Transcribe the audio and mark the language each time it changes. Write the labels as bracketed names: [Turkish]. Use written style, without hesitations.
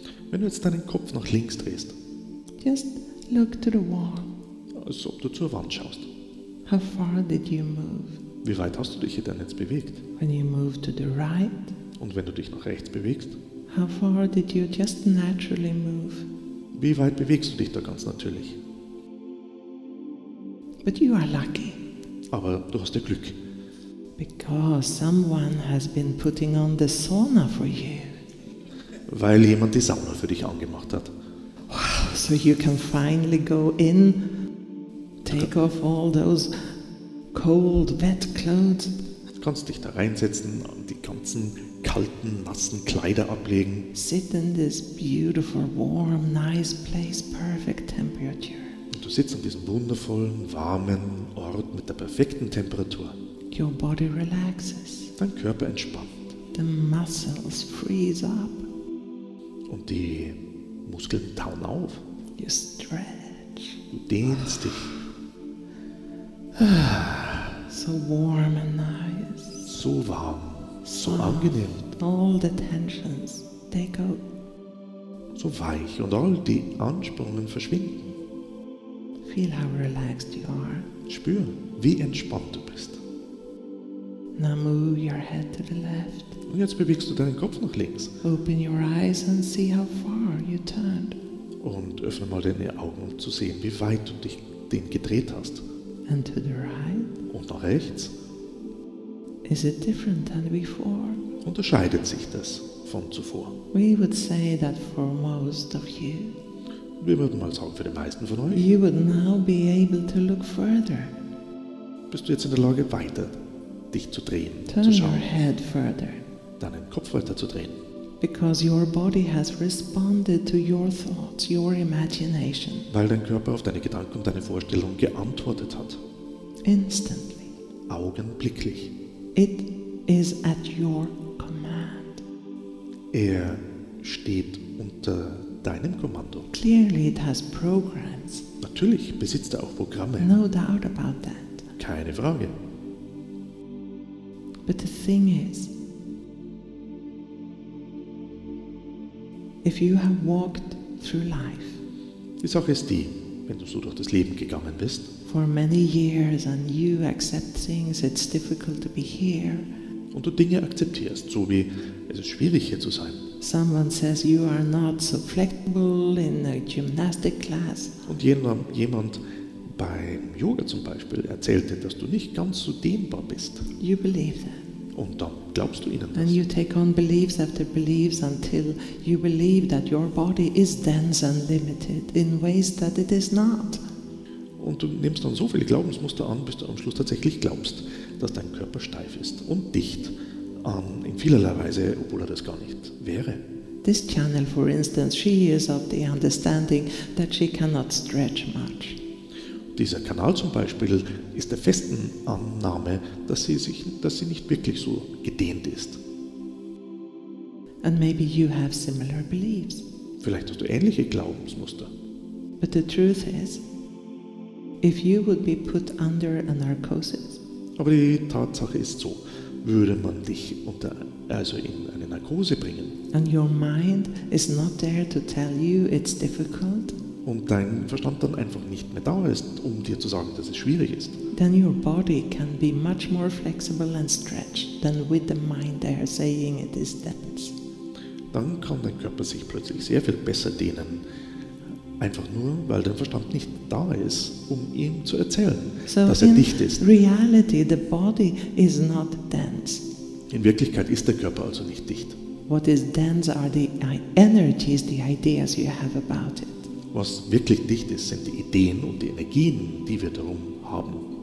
[German] Wenn du jetzt deinen Kopf nach links drehst. [English] Just look to the wall. [German] Als ob du zur Wand schaust. [English] How far did you move? [German] Wie weit hast du dich denn jetzt bewegt? [English] When you move to the right. [German] Und wenn du dich nach rechts bewegst. [English] How far did you just naturally move? [German] Wie weit bewegst du dich da ganz natürlich? [English] But you are lucky. [German] Aber du hast ja Glück. [English] Because someone has been putting on the sauna for you. [German] Weil jemand die Sauna für dich angemacht hat. [English] Wow, so you can finally go in, take off all those cold, wet clothes. [German] Du kannst dich da reinsetzen und die ganzen kalten, nassen Kleider ablegen. [English] Sit in this beautiful, warm, nice place, perfect temperature. [German] Du sitzt an diesem wundervollen, warmen Ort mit der perfekten Temperatur. [English] Your body relaxes. [German] Dein Körper entspannt. [English] The muscles freeze up. [German] Und die Muskeln tauen auf. [English] You stretch. [German] Du dehnst dich. [English] So warm and nice. [German] So warm. So angenehm. [English] All the tensions, they go. [German] So weich und all die Anspannungen verschwinden. [English] Feel how relaxed you are. [German] Spür, wie entspannt du bist. [English] Now move your head to the left. [German] Und jetzt bewegst du deinen Kopf nach links. [English] Open your eyes and see how far you turned. [German] Und öffne mal deine Augen, um zu sehen, wie weit du dich den gedreht hast. [English] And to the right. [German] Und nach rechts. [English] Is it different than before? [German] Unterscheidet sich das von zuvor? [English] We would say that for most of you. [German] Wir würden mal sagen, für die meisten von euch. [English] You would now be able to look further. [German] Bist du jetzt in der Lage, weiter dich zu drehen, [English] Turn [German] zu schauen? [English] Your head further. [German] Deinen Kopf weiter zu drehen. [English] Because your body has responded to your thoughts, your imagination. [German] Weil dein Körper auf deine Gedanken und deine Vorstellung geantwortet hat. [English] Instantly. [German] Augenblicklich. [English] It is at your command. [German] Er steht unter deinem Kommando. [English] Clearly it has programs. [German] Natürlich besitzt er auch Programme. [English] No doubt about that. [German] Keine Frage. [English] But the thing is, if you have walked through life, [German] die Sache ist die, wenn du so durch das Leben gegangen bist, [English] for many years and you accept things, it's difficult to be here. [German] Und du Dinge akzeptierst, so wie es ist schwierig hier zu sein. [English] Someone says you are not so flexible in a gymnastic class. [German] Und jemand beim Yoga zum Beispiel erzählte, dass du nicht ganz so dehnbar bist. [English] You believe that. [German] Und dann glaubst du ihnen das. [English] And you take on beliefs after beliefs until you believe that your body is dense and limited in ways that it is not. [German] Und du nimmst dann so viele Glaubensmuster an, bis du am Schluss tatsächlich glaubst, dass dein Körper steif ist und dicht. In vielerlei Weise, obwohl er das gar nicht wäre. [English] This channel, for instance, she is of the understanding that she cannot stretch much. [German] dieser Kanal zum Beispiel ist der festen Annahme, dass sie nicht wirklich so gedehnt ist. [English] And maybe you have similar beliefs. [German] Vielleicht hast du ähnliche Glaubensmuster. [English] But the truth is, if you would be put under a narcosis. [German] Aber die Tatsache ist so, würde man dich in eine Narkose bringen. [English] And your mind is not there to tell you it's difficult. [German] Und dein Verstand dann einfach nicht mehr da ist, um dir zu sagen, dass es schwierig ist. [English] Then your body can be much more flexible and stretched than with the mind there saying it is dense. [German] Dann kann dein Körper sich plötzlich sehr viel besser dehnen, einfach nur, weil dein Verstand nicht da ist, um ihm zu erzählen, dass er dicht ist. [English] Reality, the body is not dense. [German] In Wirklichkeit ist der Körper also nicht dicht. [English] What is dense are the energies, the ideas you have about it. [German] Was wirklich dicht ist, sind die Ideen und die Energien, die wir darum haben.